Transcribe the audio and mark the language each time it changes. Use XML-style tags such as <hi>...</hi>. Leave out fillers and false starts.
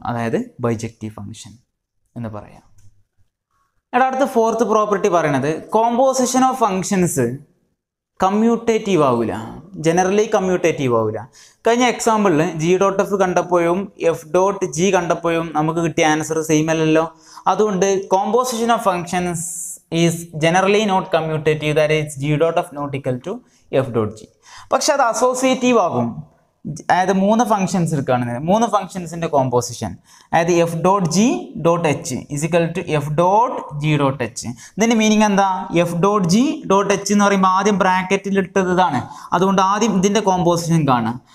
<ml>അതായത് bijective function എന്ന് പറയാം. എടാ, അടുത്ത ഫോർത്ത് പ്രോപ്പർട്ടി പറയണത്, കോമ്പോസിഷൻ ഓഫ് ഫംഗ്ഷൻസ് കമ്മ്യൂട്ടേറ്റീവ് ആവില്ല, ജനറലി കമ്മ്യൂട്ടേറ്റീവ് ആവില്ല. കഴിഞ്ഞ എക്സാമ്പിളിൽ G dot F കണ്ടപ്പോഴും F dot G കണ്ടപ്പോഴും നമുക്ക് കിട്ടിയ ആൻസർ സെയിം അല്ലല്ലോ. അതുകൊണ്ട് composition of functions</ml> <en>is generally not commutative, that is g dot of not equal to f dot g.</en> <ml>പക്ഷെ അത് associative ആകും. അതായത് മൂന്ന് ഫംഗ്ഷൻസ് എടുക്കുകയാണെങ്കിൽ മൂന്ന് ഫംഗ്ഷൻസിൻ്റെ കോമ്പോസിഷൻ, അതായത് F dot G dot H is equal to F dot G dot H. ഇതിൻ്റെ meaning എന്താ? F dot G dot H എന്ന് പറയുമ്പോൾ ആദ്യം ബ്രാക്കറ്റിൽ ഇട്ടതാണ്, അതുകൊണ്ട് ആദ്യം ഇതിൻ്റെ കോമ്പോസിഷൻ കാണുക.</ml>